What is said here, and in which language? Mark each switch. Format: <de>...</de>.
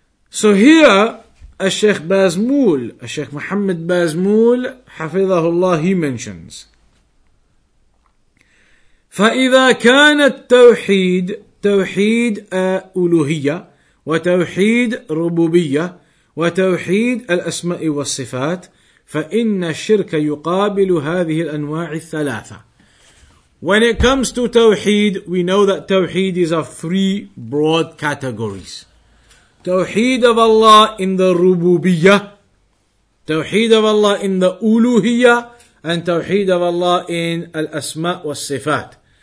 <en>So here, Sheikh Muhammad Bazmul, Hafidhahullah, he mentions,</en> <ar>فَإِذَا كَانَ التَّوْحِيدُ تَوْحِيدُ أُلُوهِيَّةٌ وَتَوْحِيدُ رُبُوبِيَّةٌ وتوحيد الأسماء والصفات فإن الشرك يقابل هذه الأنواع الثلاثة.</ar> <en>When it comes to Tawheed, we know that Tawheed is of three broad categories. Tawheed of Allah in the Rububiyyah, Tawheed of Allah in the Uluhiyyah, and Tawheed of Allah in Al-Asma' wa-Sifat.</en>